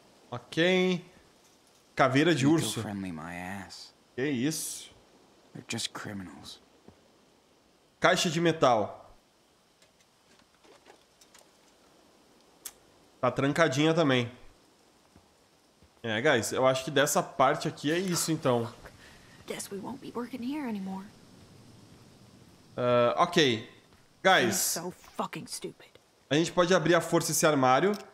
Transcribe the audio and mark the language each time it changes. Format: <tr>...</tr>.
<pt>Ok. Caveira de urso. Que isso?</pt> <en>They're just criminals.</en> <pt>Caixa de metal. Tá trancadinha também. É, guys, eu acho que dessa parte aqui é isso, então.</pt> <en>Guess we won't be working here anymore. Ok. Guys. So fucking stupid.</en> <pt>A gente pode abrir à força esse armário.</pt>